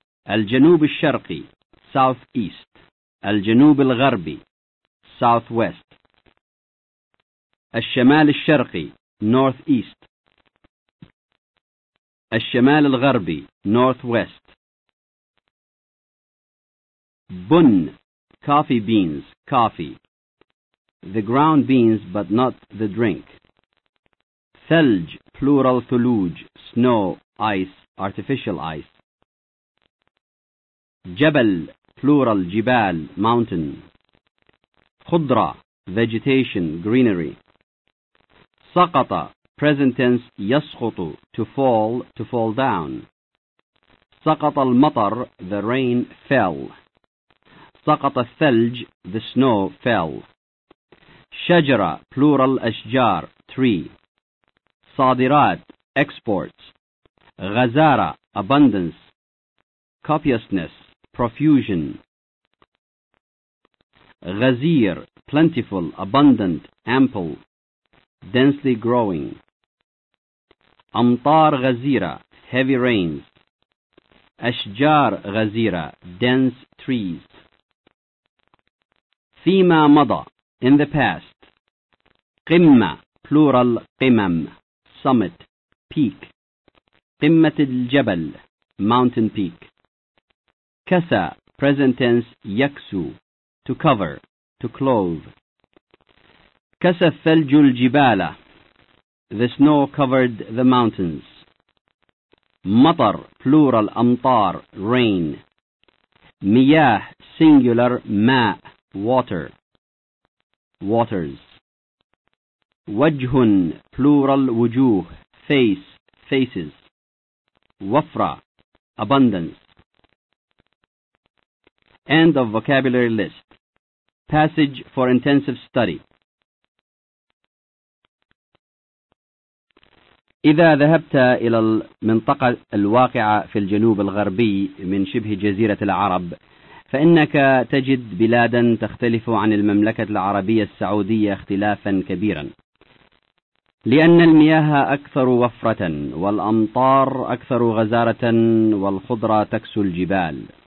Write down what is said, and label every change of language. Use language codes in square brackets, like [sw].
[ar] الجنوب الشرقي, Southeast. الجنوب الغربي, Southwest. الشمال الشرقي, Northeast. الشمال الغربي, Northwest. [en] بن, Coffee Beans, Coffee. The ground beans but not the drink. ثلج, plural ثلوج, snow, ice, artificial ice. جبل, plural جبال, mountain. خضرة, vegetation, greenery. سقط, present tense يسقط, to fall down. [ar] سقط المطر, [en] the rain fell. [ar] سقط الثلج, [en] the snow fell. شجرة plural أشجار tree. صادرات exports. غزارة abundance. copiousness profusion. غزير plentiful abundant ample densely growing. [ar] أمطار غزيرة [en] heavy rains. [ar] أشجار غزيرة [en] dense trees. [ar] فيما مضى [en] in the past. قمة plural قمم summit peak. [ar] قمة الجبل [en] mountain peak. كسى present tense يكسو to cover to clothe. [ar] كسى الثلج الجبال [en] the snow covered the mountains. مطر plural أمطار rain. مياه singular ماء water waters. وجه plural وجوه face faces. وفرة abundance. End of vocabulary list. Passage for intensive study. [ar] إذا ذهبت إلى المنطقة الواقعة في الجنوب الغربي من شبه جزيرة العرب فإنك تجد بلادا تختلف عن المملكة العربية السعودية اختلافا كبيرا، لأن المياه أكثر وفرة والأمطار أكثر غزارة والخضرة تكسو الجبال.